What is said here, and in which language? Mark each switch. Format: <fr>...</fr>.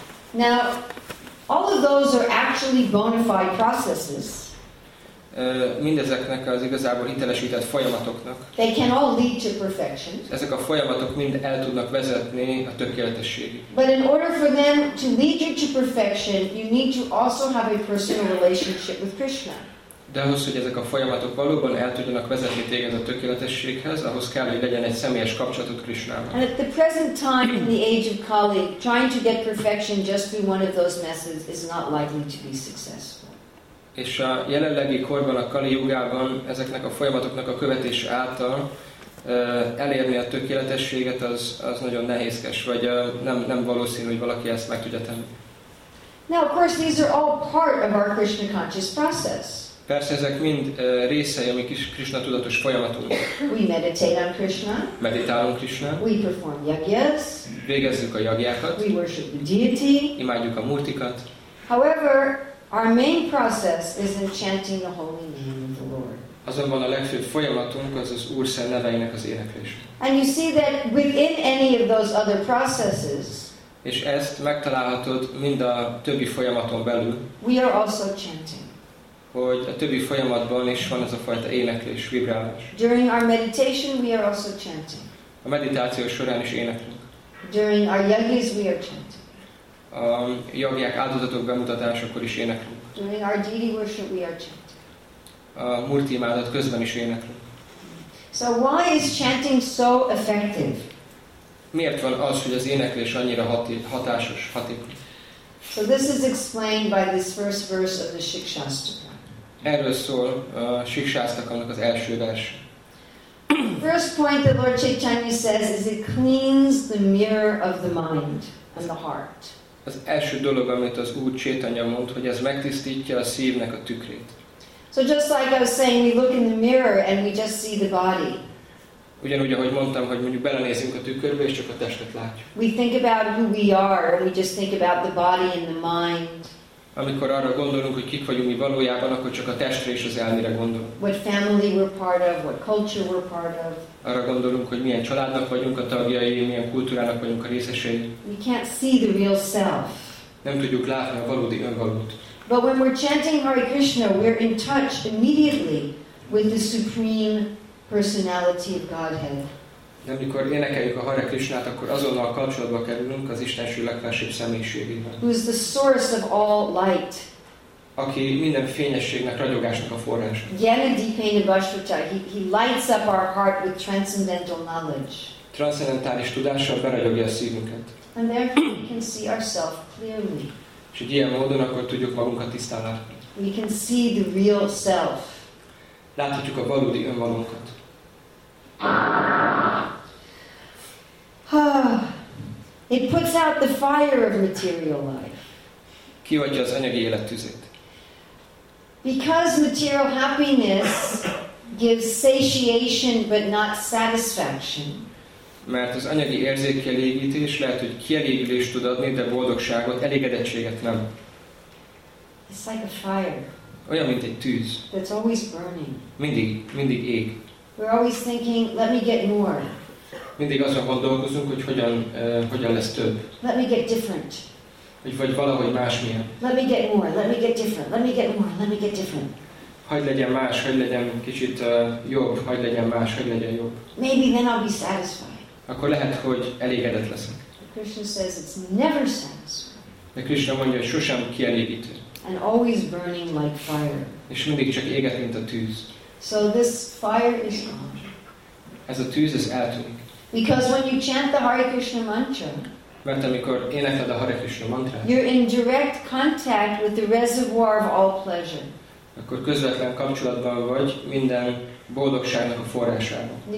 <en>Now, all of those are actually bona fide processes.</en> <hu>Mindezeknek az igazából hitelesített folyamatoknak.</hu> <en>They can all lead to perfection.</en> <hu>Ezek a folyamatok mind el tudnak vezetni a tökéletességig.</hu> <en>But in order for them to lead you to perfection, you need to also have a personal relationship with Krishna.</en> <hu>De ahhoz, hogy ezek a folyamatok valóban el tudjanak vezetni téged a tökéletességhez, ahhoz kell, hogy legyen egy személyes kapcsolatod Krishnával.</hu> <en>And at the present time in the age of Kali, trying to get perfection just through one of those methods is not likely to be successful.</en> <hu>És a jelenlegi korban, a Kali Yugában ezeknek a folyamatoknak a követés által elérni a tökéletességet az nagyon nehézkes, vagy nem valószínű, hogy valaki ezt meg tudja tenni.</hu> <en>Now, of course, these are all part of our Krishna conscious process.</en> <hu>Persze, ezek mind részei a mi Krishna tudatos folyamatunk.</hu> <en>We meditate on Krishna.</en> <hu>Meditálunk Krishna.</hu> <en>We perform yagyas.</en> <hu>Végezzük a yagyákat.</hu> <en>We worship the deity.</en> <hu>Imádjuk a murtikat.</hu> <en>However, our main process is in chanting the holy name of the Lord.</en> <hu>Azonban a legfőbb folyamatunk az Úr Szent neveinek az éneklés.</hu> <en>And you see that within any of those other processes.</en> <hu>És ezt megtalálhatod mind a többi folyamaton belül.</hu> <en>We are also chanting.</en> <hu>Hogy a többi folyamatban is van ez a fajta éneklés, vibrálás.</hu> <en>During our meditation we are also chanting.</en> <hu>A meditáció során is éneklünk.</hu> <en>During our yagyas we are chanting.</en> <hu>A jagják áldozatok bemutatásakor is éneklünk.</hu> <en>During our deity worship we are chanting.</en> <hu>A murti imádat közben is éneklünk.</hu> <en>So why is chanting so effective?</en> <hu>Miért van az, hogy az éneklés annyira hatásos, hatékony?</hu> <en>So this is explained by this first verse of the Shikshastaka.</en> <hu>Erről szól a Shikshastakának az első vers.</hu> <en>First point that Lord Chaitanya says is it cleans the mirror of the mind and the heart.</en> <hu>Az első dolog, amit az Úr Chaitanya mond, hogy ez megtisztítja a szívnek a tükrét.</hu> <en>So just like I was saying, we look in the mirror and we just see the body.</en> <hu>Ugyanúgy, ahogy mondtam, hogy mondjuk belenézünk a tükörbe és csak a testet látjuk.</hu> <en>We think about who we are, we just think about the body and the mind.</en> <hu>Amikor arra gondolunk, hogy kik vagyunk mi valójában, akkor csak a testre és az elmére gondolunk.</hu> <en>What family we're part of, what culture we're part of.</en> <hu>Arra gondolunk, hogy milyen családnak vagyunk a tagjai, milyen kultúrának vagyunk a részesei.</hu> <en>We can't see the real self.</en> <hu>Nem tudjuk látni a valódi önmagunkat.</hu> <en>But when we're chanting Hare Krishna, we're in touch immediately with the supreme personality of Godhead.</en> <hu>De amikor énekeljük a Hare Krishnát, akkor azonnal kapcsolatba kerülünk az Istenső legfelsőbb személyiségével.</hu> <en>Who is the source of all light?</en> <hu>Aki minden fényességnek, ragyogásnak a forrása.</hu> <en>Yenadipenabhasvata, he lights up our heart with transcendental knowledge.</en> <hu>Transzendentális tudással beragyogja a szívünket.</hu> <en>And therefore we can see ourselves clearly.</en> <hu>És így ilyen módon akkor tudjuk magunkat tisztán látni.</hu> <en>We can see the real self.</en> <hu>Láthatjuk a valódi önmagunkat.</hu> <en>It puts out the fire of material life.</en> <hu>Kiadja az anyagi élettüzét.</hu> <en>Because material happiness gives satiation but not satisfaction.</en> <hu>Mert az anyagi érzékelégítés lehet, hogy kielégülést tud adni, de boldogságot, elégedettséget nem.</hu> <en>It's like a fire.</en> <hu>Olyan, mint egy tűz.</hu> <en>That's always burning.</en> <hu>Mindig ég.</hu> <en>We're always thinking, let me get more.</en> <hu>Mindig azon gondolkozunk, hogy hogyan lesz több.</hu> <en>Let me get different.</en> <hu>Vagy valahogy másmilyen.</hu> <en>Let me get more, let me get different, let me get more, let me get different.</en> <hu>Hogy legyen más, hogy legyen kicsit jobb, hogy legyen más, hogy legyen jobb.</hu> <en>Maybe then I'll be satisfied.</en> <hu>Akkor lehet, hogy elégedett leszek.</hu> <en>Krishna says it's never satisfied.</en> <hu>De Krishna mondja, hogy sosem kielégítő.</hu> <en>And always burning like fire.</en> <hu>És mindig csak éget, mint a tűz.</hu> <en>So this fire is gone.</en> <hu>Ez a tűz, ez eltűnik.</hu> <en>Because when you chant the Hare Krishna mantra,</en> <hu>mert amikor énekled a Hare Krishna mantra,</hu> <en>you're in direct contact with the reservoir of all pleasure.</en> <hu>Akkor közvetlen kapcsolatban vagy minden boldogságnak a forrásában.</hu>